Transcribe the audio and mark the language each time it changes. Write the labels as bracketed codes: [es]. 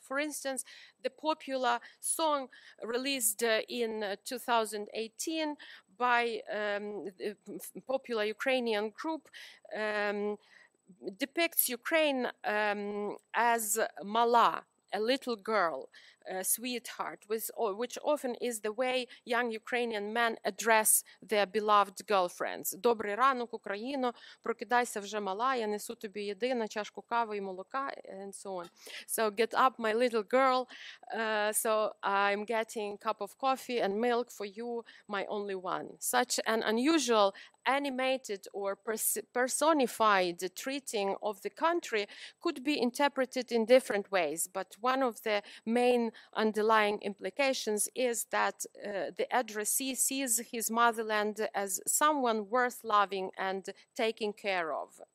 [en] For instance, the popular song released in 2018 by the popular Ukrainian group depicts Ukraine as Mala, a little girl, a sweetheart, which often is the way young Ukrainian men address their beloved girlfriends. [uk] Добрий ранок, Україно, прокидайся вже мала, я несу тобі єдину чашку кави і молока, [en] and so on. So get up, my little girl, so I'm getting a cup of coffee and milk for you, my only one. Such an unusual animated or personified treating of the country could be interpreted in different ways, but one of the main underlying implications is that the addressee sees his motherland as someone worth loving and taking care of.